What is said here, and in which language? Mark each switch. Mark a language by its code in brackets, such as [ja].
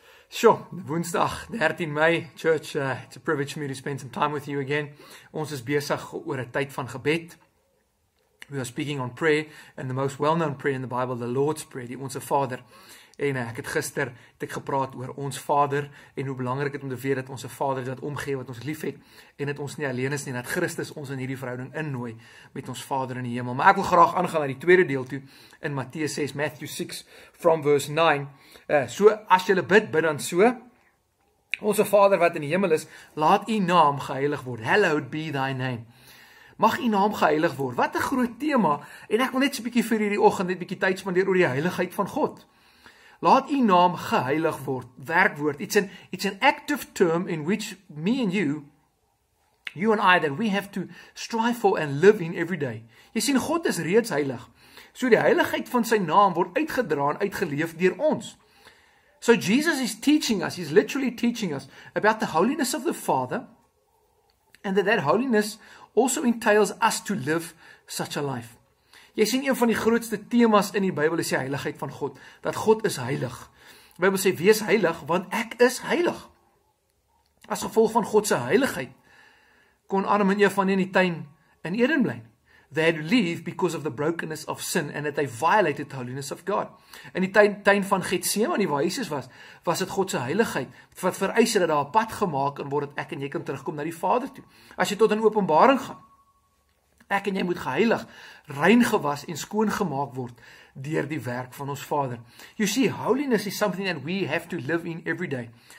[en] Sure, Woensdag 13 Mei, Church, it's a privilege for me to spend some time with you again. [af] Ons is besig oor 'n tyd van gebed. [en] We are speaking on prayer and the most well-known prayer in the Bible, the Lord's Prayer, [af] die Onse Vader. En ek het gister het ek gepraat oor ons Vader en hoe belangrik het om te weet dat Onse Vader dat omgee wat ons lief het en dat ons nie alleen is nie, dat Christus ons in hierdie verhouding innooi met ons Vader in die hemel. Maar ek wil graag aangaan naar die tweede deel toe in Matteus 6, [en] Matthew 6 from verse 9. [af] So as julle bid, bid dan so: Onse Vader wat in die hemel is, laat u naam geheilig word. [en] Hallowed be thy name. [af] Mag u naam geheilig word. Wat een groot thema. En ek wil net so 'n bietjie vir hierdie oggend net 'n bietjie tyd spandeer oor die heiligheid van God. Laat u naam geheilig word, werkwoord. [en] It's an active term in which me and you and I, that we have to strive for and live in every day. [af] Jy sien, God is reeds heilig. So die heiligheid van sy naam word uitgedraan, uitgeleef deur ons. [en] So Jesus is teaching us, he's literally teaching us about the holiness of the Father, and that holiness also entails us to live such a life. [af] Jy sien, een van die grootste thema's in die Bybel is die heiligheid van God, dat God is heilig. Die Bybel sê, wees heilig, want ek is heilig. As gevolg van God se heiligheid, kon Adam en Eva in die tuin in Eden bly. [en] They had to leave because of the brokenness of sin, and that they violated the holiness of God. [af] In die tuin van Getsemane, waar Jesus was, was het God se heiligheid, wat vereis het dat daar 'n pad gemaak en word het ek en jy kan terugkom na die Vader toe. As jy tot in Openbaring gaan, ek en jy moet geheilig, rein gewas en skoon gemaak word deur die werk van ons Vader. [en] You see, holiness is something that we have to live in every day.